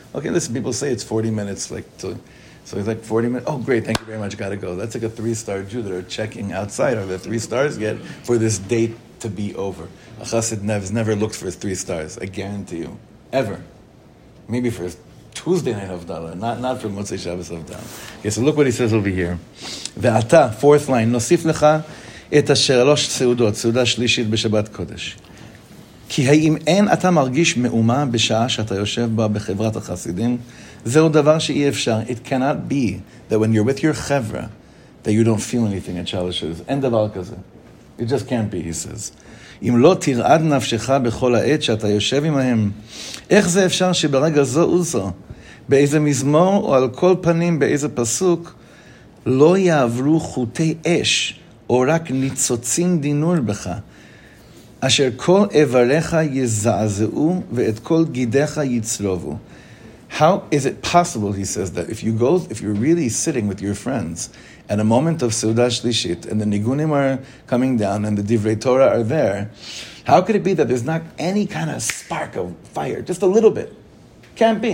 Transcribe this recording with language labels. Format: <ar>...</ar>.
<en>Okay, listen, people say it's 40 minutes, so it's like 40 minutes. Oh, great, thank you very much, gotta go. That's like a three-star Jew that are checking outside. Are there three stars yet for this date to be over? A chassid has never looked for his three stars, I guarantee you. Ever. Maybe for his Tuesday night Havdalah, not for Motzei Shabbos Havdalah. Okay, so look what he says over here.</en> <he>Ve'ata,</he> <en>fourth line,</en> <he>nosif lecha, את השלוש סעודות, סעודה שלישית בשבת קודש. כי האם אין אתה מרגיש מאומה בשעה שאתה יושב בה בחברת החסידים? זהו דבר שאי אפשר.</he> <en>It cannot be that when you're with your חברה, that you don't feel anything at shalashiras.</en> <he>אין דבר כזה.</he> <en>It just can't be, he says.</en> <he>אם לא תרעד נפשך בכל העת שאתה יושב עמהם, איך זה אפשר שברגע זו וזו, באיזה מזמור או על כל פנים, באיזה פסוק, לא יעברו חוטי אש, או רק ניצוצים דינור בך, אשר כל איבריך יזעזעו ואת כל גידיך יצלובו.</he> <en>How is it possible, he says, that if you're really sitting with your friends at a moment of Seuda Shlishit and the Nigunim are coming down and the Divrei Torah are there, how could it be that there's not any kind of spark of fire, just a little bit? Can't be.</en>